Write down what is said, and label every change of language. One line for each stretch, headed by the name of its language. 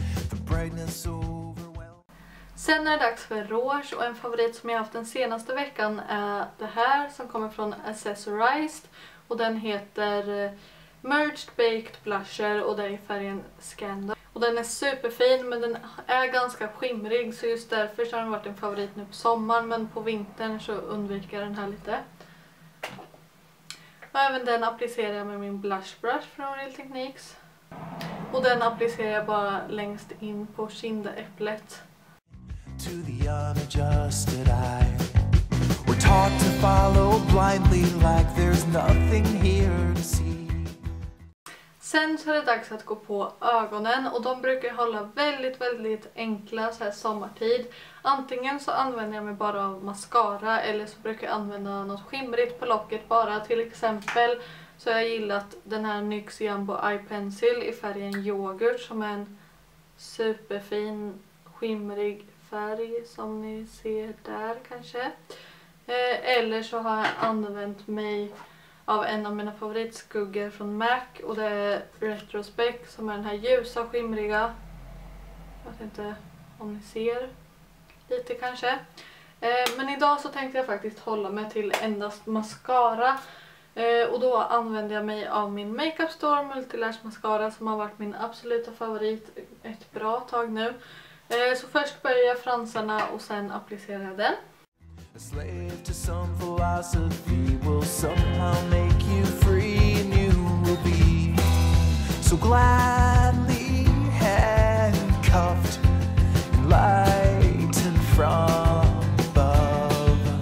English: The brightness overwhelms.
Swedish: Sen är det dags för rouge och en favorit som jag haft den senaste veckan är det här som kommer från Accessorized och den heter Merged Baked Blusher och det är färgen Scandal. Och den är superfin men den är ganska skimrig så just därför så har den varit en favorit nu på sommaren. Men på vintern så undviker jag den här lite. Och även den applicerar jag med min blush brush från Real Techniques. Och den applicerar jag bara längst in på kindäpplet.
English: To the unadjusted eye. We're taught to follow blindly like there's nothing here to see.
Swedish: Sen så är det dags att gå på ögonen och de brukar hålla väldigt, väldigt enkla så här sommartid. Antingen så använder jag mig bara av mascara eller så brukar jag använda något skimrigt på locket bara. Till exempel så har jag gillat den här NYX Jumbo Eye Pencil i färgen Yoghurt som är en superfin skimrig färg som ni ser där kanske. Eller så har jag använt mig av en av mina favoritskuggor från MAC och det är Retrospect som är den här ljusa skimriga. Jag vet inte om ni ser lite kanske. Men idag så tänkte jag faktiskt hålla mig till endast mascara. Och då använder jag mig av min Make Up Store Multilash Mascara som har varit min absoluta favorit ett bra tag nu. Så först börjar jag fransarna och sen applicerar jag den.
English: A slave to some philosophy will somehow make you free, and you will be so gladly handcuffed in light and from above.